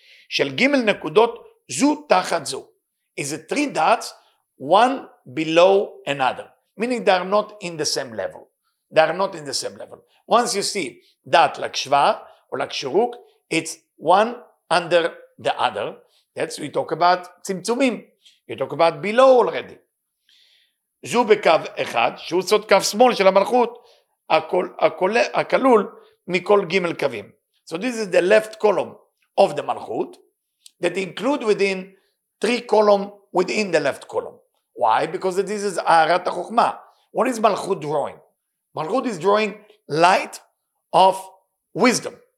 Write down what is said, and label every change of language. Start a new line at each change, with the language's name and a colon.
Hebrew: Shel gimel nekudot zu tachat zu.
English: Is it three dots, one below another. Meaning they are not in the same level. They are not in the same level. Once you see dot like shva or like shuruk, it's one under the other. That's we talk about tzimtzumim. You talk about below already.
Hebrew: זו בקו אחד, שהוא סוד קו שמאל של המלכות, הכלול מכל גימל קווים.
English: So this is the left column of the מלכות, that include within three column within the left column. Why? Because this is הערת החוכמה. What is מלכות drawing? מלכות is drawing light of wisdom.